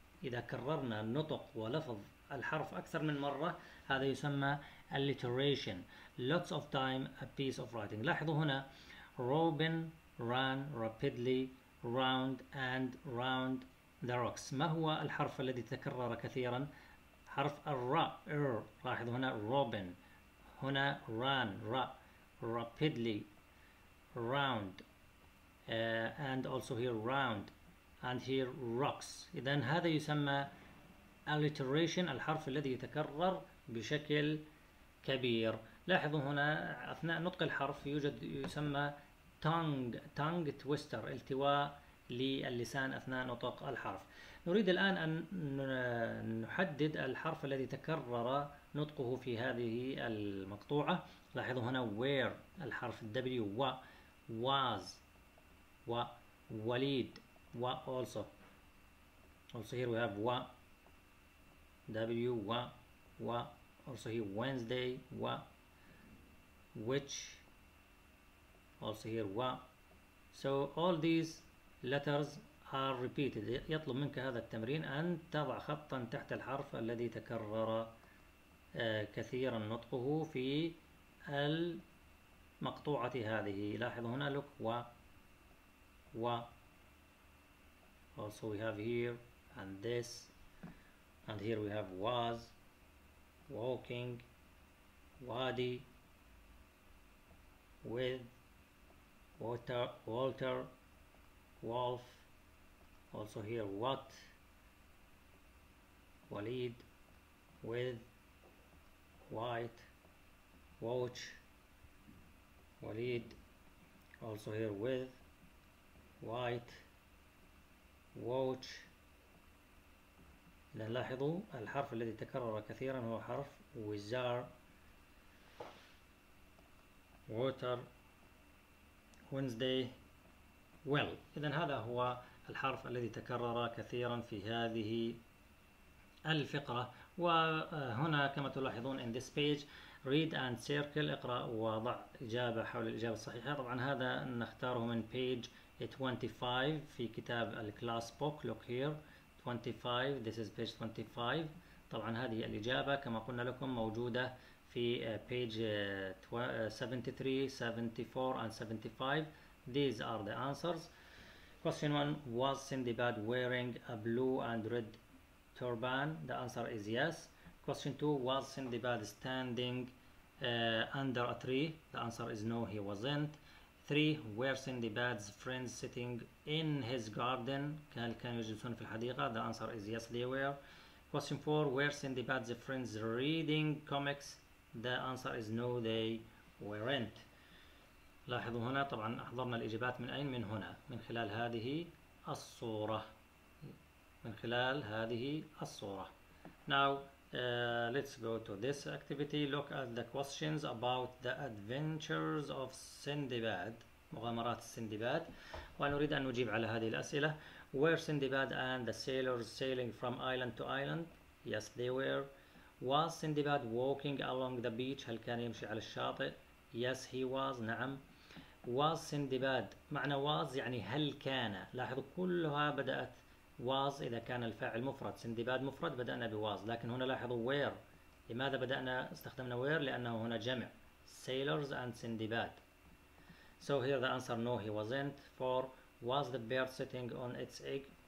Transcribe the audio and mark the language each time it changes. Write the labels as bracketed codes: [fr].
[ar] إذا كررنا نطق ولفظ الحرف أكثر من مرة هذا يسمى alliteration. [en] Lots of time a piece of writing. [ar] لاحظوا هنا [en] Robin ran rapidly round and round the rocks. [ar] ما هو الحرف الذي تكرر كثيرا؟ حرف الراء. لاحظوا هنا Robin. [en] هنا ran rapidly round and also here round and here rocks. [ar] إذن هذا يسمى alliteration, الحرف الذي يتكرر بشكل كبير. لاحظوا هنا أثناء نطق الحرف يوجد يسمى tongue twister, التواء للسان أثناء نطق الحرف. نريد الآن أن نحدد الحرف الذي تكرر نطقه في هذه المقطوعة. لاحظوا هنا where, الحرف W. [en] و was و وليد و also here we have و W. و و also here Wednesday. و which also here و. So all these letters are repeated. [ar] يطلب منك هذا التمرين أن تضع خطا تحت الحرف الذي تكرر كثيرا نطقه في المقطوعة هذه. لاحظ هنا [en] look و و also we have here and this and here we have was walking wadi with water Walter Wolf also here what Waleed with white watch Waleed also here with white watch. [ar] إذن لاحظوا الحرف الذي تكرر كثيرا هو حرف وزار [en] water Wednesday well. [ar] إذن هذا هو الحرف الذي تكرر كثيرا في هذه الفقرة. وهنا كما تلاحظون [en] in this page read and circle. [ar] اقرأ وضع إجابة حول الإجابة الصحيحة. طبعا هذا نختاره من page 25 في كتاب الكلاس بوك. [en] look here 25, this is page 25. [ar] طبعا هذه الإجابة كما قلنا لكم موجودة في [en] page 73, 74 and 75. these are the answers. question 1, was Sindbad wearing a blue and red turban? the answer is yes. question 2, was Sindbad standing under a tree. The answer is no, he wasn't. Three, where Sindy Bad's friends sitting in his garden. [ar] هل كانوا يجلسون في الحديقة؟ [en] The answer is yes, they were. Question four, where Sindy Bad's friends reading comics? The answer is no, they weren't. [ar] لاحظوا هنا طبعا أحضرنا الإجابات من أين؟ من هنا، من خلال هذه الصورة. من خلال هذه الصورة. [en] Now let's go to this activity. Look at the questions about the adventures of Sindbad. [ar] مغامرات سندباد. ونريد أن نجيب على هذه الأسئلة. [en] Were Sindbad and the sailors sailing from island to island? Yes, they were. Was Sindbad walking along the beach? [ar] هل كان يمشي على الشاطئ؟ [en] Yes, he was. [ar] نعم. [en] Was Sindbad. [ar] معنى was يعني هل كان. لاحظوا كلها بدأت was إذا كان الفاعل مفرد. سندباد مفرد، بدأنا بواز، لكن هنا لاحظوا where. لماذا بدأنا استخدمنا where؟ لأنه هنا جمع sailors and سندباد. [en] So here the answer no he wasn't. Four, was the bird sitting on its egg?